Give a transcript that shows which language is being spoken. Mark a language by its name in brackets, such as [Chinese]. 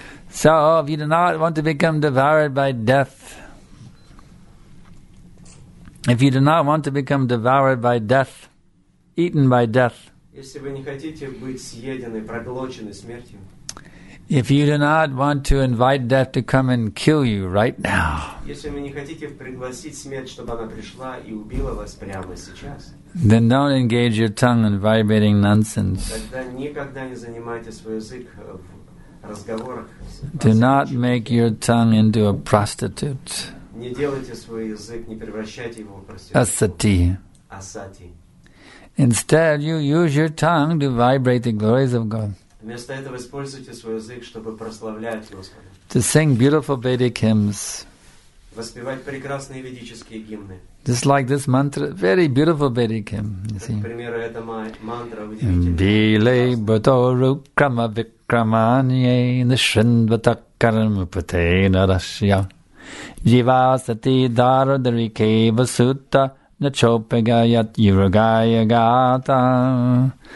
[English] So if you do not want to become devoured by death, if you do not want to become devoured by death, eaten by death, [Russian] если вы не хотите быть съедены, проглочены смертью, [English] if you do not want to invite death to come and kill you right now, [Russian] если вы не хотите пригласить смерть, чтобы она пришла и убила вас прямо сейчас, [English] then don't engage your tongue in vibrating nonsense. [Russian] Тогда никогда не занимайте свой язык в разговорах. [English] Do not make your tongue into a prostitute. [Russian] Не делайте свой язык, не превращайте его в проститутку. Асати. Асати. [English] Instead, you use your tongue to vibrate the glories of God. [Russian] Вместо этого используйте свой язык, чтобы прославлять Господа. [English] To sing beautiful Vedic hymns. [Russian] Воспевать прекрасные ведические гимны. [English] Just like this mantra, very beautiful Vedic hymn. [Russian] Как, например, эта мантра удивительная. [Sanskrit] Билейбатору крама викрамане нишиндватакарам пате нарашья Дживасати дару дарике васута начопегаят юргая гата.